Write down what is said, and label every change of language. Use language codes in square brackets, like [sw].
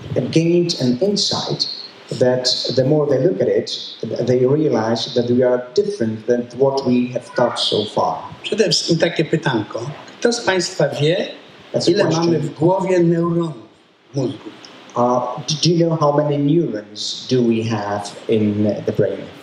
[en] gained an insight that the more they look at it, they realize that we are different than what we have thought so far. [pl] Przede wszystkim takie pytanko. Kto z Państwa wie, ile mamy w głowie neuronów, mózgu? [en] Do you know how many neurons do we have in the brain?